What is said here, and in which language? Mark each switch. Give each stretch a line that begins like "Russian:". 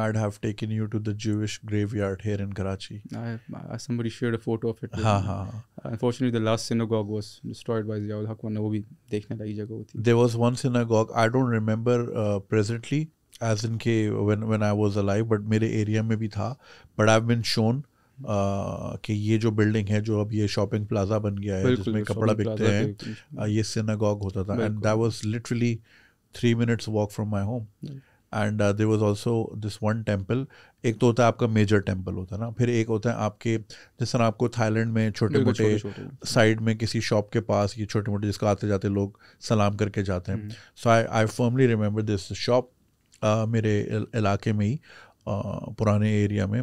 English: I'd have taken you to the Jewish graveyard here in Karachi. Somebody shared a photo of it. Unfortunately, the last synagogue was destroyed by Ziaul Haq.
Urdu: One, wo bhi dekhne lagi jagah hoti.
English: There was one synagogue. I don't remember presently, as in ke when I was alive, but
Urdu: mere area mein bhi tha.
English: But I've been shown
Urdu: کہ یہ جو building ہے جو اب یہ shopping plaza بن گیا ہے جس میں کپڑا بکتے ہیں, یہ سینگاگ ہوتا تھا.
English: And that was literally 3 minutes walk from my home. And there was also this one temple.
Urdu: ایک تو ہوتا ہے آپ کا میجر ٹیمپل ہوتا ہے نا, پھر ایک ہوتا ہے آپ کے جس طرح آپ کو تھائی لینڈ میں چھوٹے موٹے سائڈ میں کسی شاپ کے پاس یہ چھوٹے موٹے جس کا آتے جاتے لوگ سلام کر کے جاتے ہیں.
English: so I firmly remember this shop
Urdu: میرے علاقے میں ہی, پرانے ایریا میں.